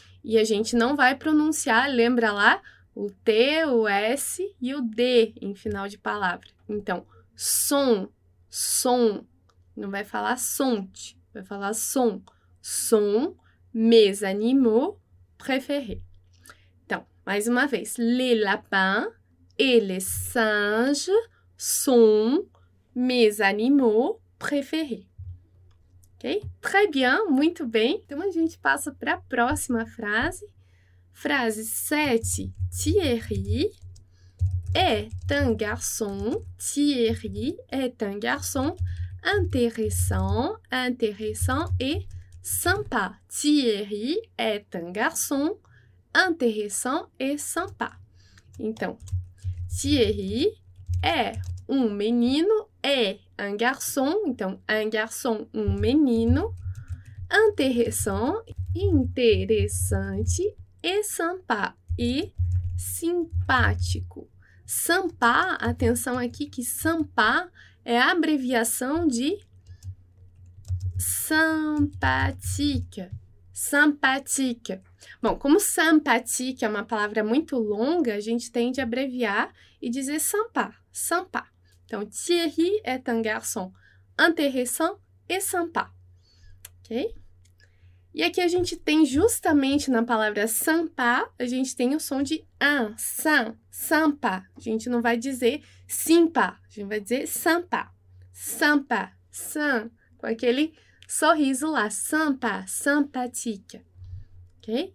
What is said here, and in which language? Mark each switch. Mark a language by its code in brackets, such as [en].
[pt] E a gente não vai pronunciar, lembra lá, o T, o S e o D em final de palavra. Então, som, som, não vai falar sonte, vai falar som, som. [fr] Mes animaux préférés. [pt] Então, mais uma vez. [fr] Les lapins et les singes sont mes animaux préférés. [pt] Ok? [fr] Très bien, [pt] muito bem. Então, a gente passa para a próxima frase. [fr] Frase 7. Thierry est un garçon. Thierry est un garçon intéressant. Intéressant et sympa. Thierry est un garçon intéressant et sympa. Então, Thierry est un menino, est un garçon. Então, un garçon, un menino, intéressant, interessante et sympa. [pt] E simpático. Sympa, atenção aqui que sympa é a abreviação de simpatique, simpatique. Bom, como simpatique é uma palavra muito longa, a gente tende a abreviar e dizer sympa, sympa. [fr] Então, Thierry est un garçon intéressant et sympa. [pt] Ok? E aqui a gente tem justamente na palavra sympa, a gente tem o som de un, sam, sympa. A gente não vai dizer simpa, a gente vai dizer sympa, sympa, sam, com aquele sorriso lá, sampa, simpatique. Ok?